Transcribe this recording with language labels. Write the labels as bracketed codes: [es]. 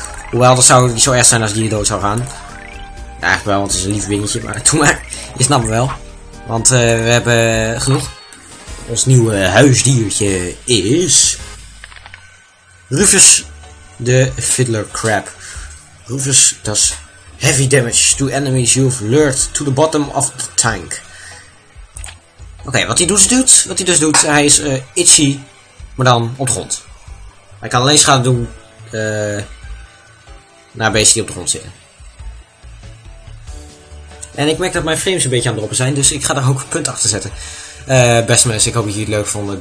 [nl] Hoewel, dat zou niet zo erg zijn als die dood zou gaan. Ja, eigenlijk wel, want het is een lief wingetje, maar doe maar. Je snapt me wel. Want we hebben genoeg. Ons nieuwe huisdiertje is... Rufus de Fiddler Crab. [en] Rufus does heavy damage to enemies you've lured to the bottom of the tank. [nl] Oké, wat hij dus doet, hij is itchy, maar dan op de grond. Hij kan alleen schade doen naar beesten die op de grond zitten. En ik merk dat mijn frames een beetje aan het droppen zijn, dus ik ga daar ook een punt achter zetten. Beste mensen, ik hoop dat jullie het leuk vonden.